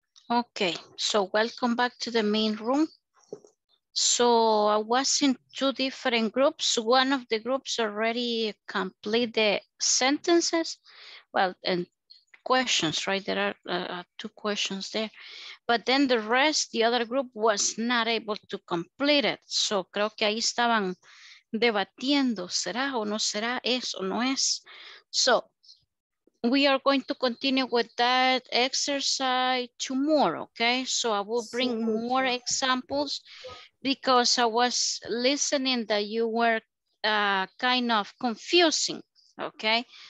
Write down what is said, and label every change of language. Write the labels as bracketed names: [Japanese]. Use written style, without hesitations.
[English] Okay, so welcome back to the main room. So I was in two different groups. One of the groups already completed the sentences. Well, and questions, right? There are two questions there. But then the rest, the other group was not able to complete it. [Spanish] So creo que ahí estaban debatiendo, ¿será o no será? ¿Es o no es? [English] So we are going to continue with that exercise tomorrow, okay? So I will bring more examples because I was listening that you were kind of confusing, okay?